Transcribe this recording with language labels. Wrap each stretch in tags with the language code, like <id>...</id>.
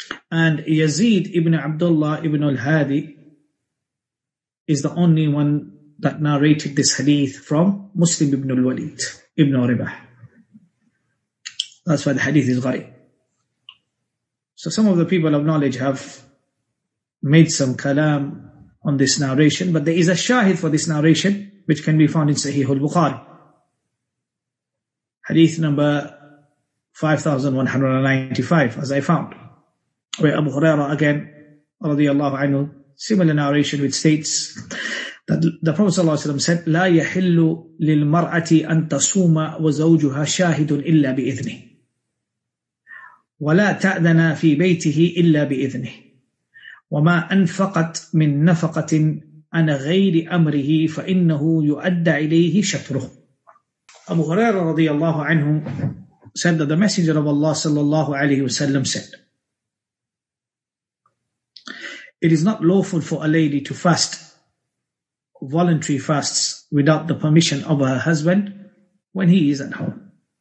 <en>And Yazid ibn Abdullah ibn al-Hadi is the only one that narrated this hadith from Muslim ibn al-Walid ibn al-Ribah. That's why the hadith is gharib. So some of the people of knowledge have made some kalam on this narration, but there is a shahid for this narration which can be found in Sahih al-Bukhari. Hadith number 5195, as I found, where Abu Huraira again, radiyallahu anhu, similar narration which states that the Prophet sallallahu alayhi wa sallam said,</en> <ar>لَا يَحِلُّ لِلْمَرْأَةِ أَن تَصُومَ وَزَوْجُهَا شَاهِدٌ إِلَّا بِإِذْنِهِ وَلَا تَأْذَنَا فِي بَيْتِهِ إِلَّا بِإِذْنِهِ وَمَا أَنْفَقَتْ مِنْ نَفَقَةٍ أَنَ غَيْرِ أَمْرِهِ فَإِنَّهُ يُؤَدَّ إِلَيْهِ شَطْرُهُ.</ar> <en>Abu Huraira radiyallahu anhu said that the Messenger of Allah sallallahu alayhi wa sallam said, it is not lawful for a lady to fast voluntary fasts without the permission of her husband when he is at home.</en>